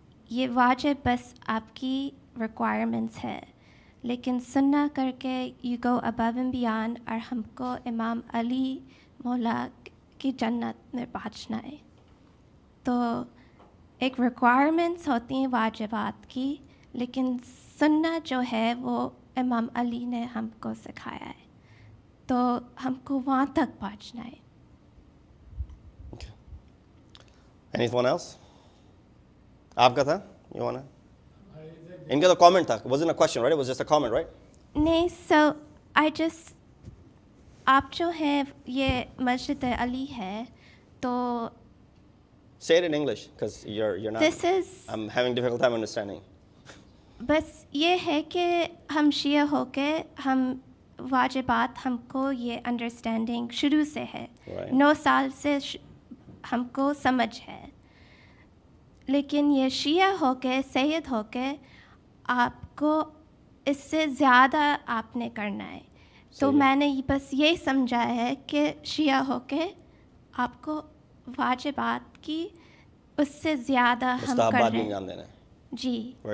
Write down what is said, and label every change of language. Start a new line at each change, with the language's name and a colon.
Urdu: یہ واجب بس آپ کی ریکوائرمنٹس ہے لیکن سننا کر کے
English: you go above and beyond
Urdu: اور ہم کو امام علی مولا کی جنت میں پہنچنا ہے تو ایک ریکوائرمنٹس ہوتی ہیں واجبات کی لیکن سننا جو ہے وہ امام علی نے ہم کو سکھایا ہے تو ہم کو وہاں تک پہنچنا ہے
English: Anyone else?
Urdu: آپ کا تھا
English: you wanna?
Urdu: ان کا تو کامنٹ تھا
English: wasn't a question right it was just a comment right
Urdu: نہیں
English: so I just
Urdu: آپ جو ہیں یہ مسجد علی ہے تو
English: Say it in English because you're not this is I'm having difficult time understanding
Urdu: بس یہ ہے کہ ہم شیعہ ہو کے ہم واجبات ہم کو یہ انڈرسٹینڈنگ شروع سے ہے نو سال سے ہم کو سمجھ ہے لیکن یہ شیعہ ہو کے سید ہو کے آپ کو اس سے زیادہ آپ نے کرنا ہے تو میں نے بس یہی سمجھا ہے کہ شیعہ ہو کے آپ کو واجبات کی اس سے زیادہ ہم کر رہے ہیں جی